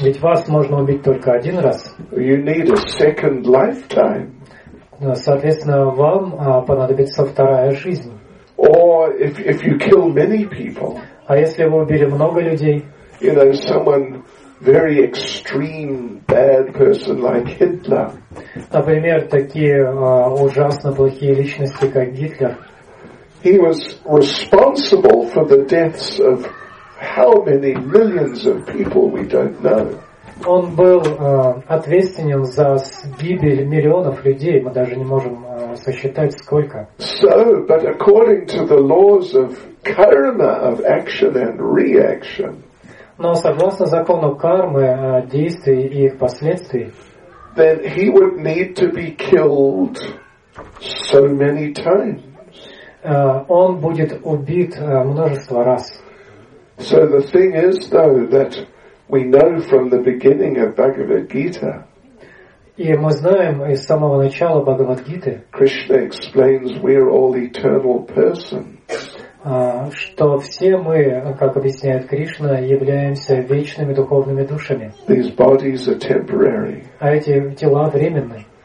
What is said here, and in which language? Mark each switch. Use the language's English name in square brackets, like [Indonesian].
[Russian] Ведь вас можно убить только один раз. [English] You need a second lifetime. [Russian] Соответственно, вам понадобится вторая жизнь. [English] Or if you kill many people. [Russian] А если вы убили много людей? [English] You know, someone very extreme bad person like Hitler. [Russian] Например, такие ужасно плохие личности, как Гитлер. [English] He was responsible for the deaths of how many millions of people we don't know. [Russian] Он был ответственен за гибель миллионов людей, мы даже не можем сосчитать сколько. [English] So, but according to the laws of karma, of action and reaction. [Russian] Но согласно закону кармы, действий и их последствий, [English] then he would need to be killed so many times. [Russian] Он будет убит множество раз. [English] So the thing is, though, that we know from the beginning of Bhagavad Gita. [Russian] И мы знаем из самого начала Бхагавад Гиты. [English] Krishna explains we are all eternal persons. [Russian] Что все мы, как объясняет Кришна, являемся вечными духовными душами. [English] These bodies are temporary. [Russian] А эти тела временные.